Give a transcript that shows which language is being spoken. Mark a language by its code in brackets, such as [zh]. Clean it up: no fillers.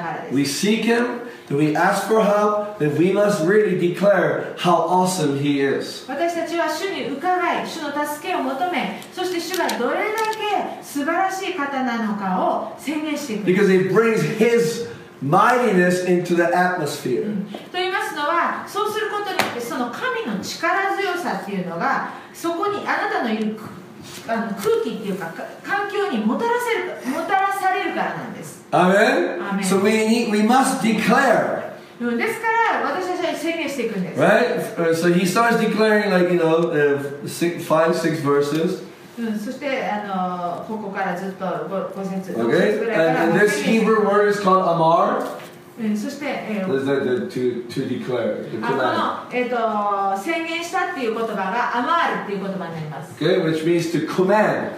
[en] We seek Him. If we ask for help, then we must really declare how awesome He is. [ja] 私たちは主に伺い、主の助けを求め、そして主がどれだけ素晴らしい方なのかを宣言していく。 [en] Because it brings His mightiness into the atmosphere. [ja] と言いますのは、そうすることによってその神の力強さっていうのがそこにあなたのいる空気っていうか環境にもたらされるからなんです。 [en] Amen. Amen. So we must declare. [ja] ですから私たちは宣言していくんです。 [en] Right. So he starts declaring like you know five six verses. [ja] そしてここからずっと五節ぐらいから。 [en] Okay. And this Hebrew word is called amar. [ja] そして [en] to declare. [ja] この宣言したっていう言葉が amar っていう言葉になります。 [en] Okay. Which means to command.